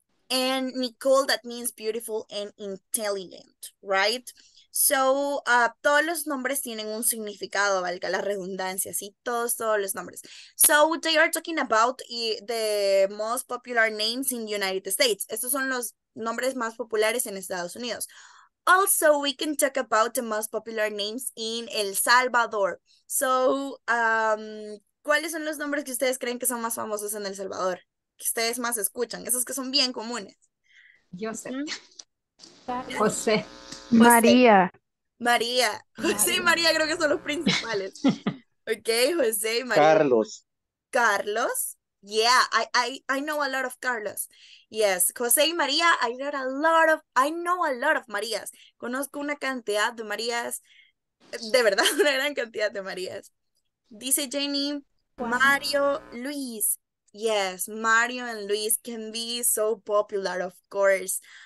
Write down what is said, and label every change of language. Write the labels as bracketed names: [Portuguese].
[English] And Nicole, that means beautiful and intelligent, right? [Spanish] So, todos los nombres tienen un significado, valga la redundancia, ¿sí? Todos los nombres. [English] So, they are talking about the most popular names in the United States. [Spanish] Estos son los nombres más populares en Estados Unidos. [English] Also, we can talk about the most popular names in El Salvador. [Spanish] So, ¿cuáles son los nombres que ustedes creen que son más famosos en El Salvador? Que ustedes más escuchan, esos que son bien comunes. José. María. José y María creo que son los principales. Ok, José y María. Carlos. [English] Yeah, I know a lot of Carlos. Yes, José y María, I know a lot of Marías. [Spanish] Conozco una cantidad de Marías, de verdad, una gran cantidad de Marías. Dice Jenny, Mario, Luis. [English] Yes, Mario and Luis can be so popular, of course.